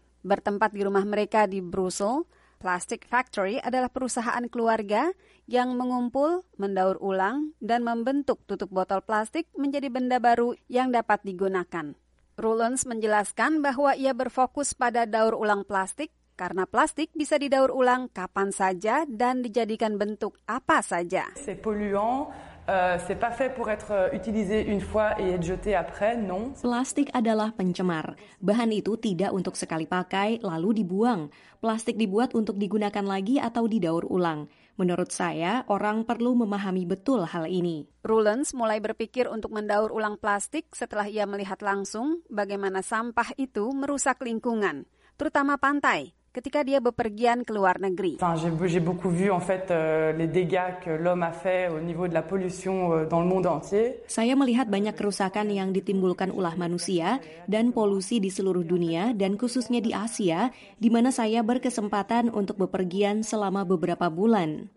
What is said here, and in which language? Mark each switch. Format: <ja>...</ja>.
<id>Bertempat di rumah mereka di Brussels, Plastic Factory adalah perusahaan keluarga yang mengumpul, mendaur ulang, dan membentuk tutup botol plastik menjadi benda baru yang dapat digunakan. Rulens menjelaskan bahwa ia berfokus pada daur ulang plastik karena plastik bisa didaur ulang kapan saja dan dijadikan bentuk apa saja.</id> <fr>C'est polluant. C'est pas fait pour être utilisé une fois et être jeté après, non.</fr> <id>Plastik adalah pencemar. Bahan itu tidak untuk sekali pakai lalu dibuang. Plastik dibuat untuk digunakan lagi atau didaur ulang. Menurut saya, orang perlu memahami betul hal ini. Rulens mulai berpikir untuk mendaur ulang plastik setelah ia melihat langsung bagaimana sampah itu merusak lingkungan, terutama pantai. Ketika dia bepergian ke luar negeri.</id> <fr>J'ai beaucoup vu en fait les dégâts que l'homme a fait au niveau de la pollution dans le monde entier.</fr> <id>Saya melihat banyak kerusakan yang ditimbulkan ulah manusia dan polusi di seluruh dunia dan khususnya di Asia, di mana saya berkesempatan untuk bepergian selama beberapa bulan.</id>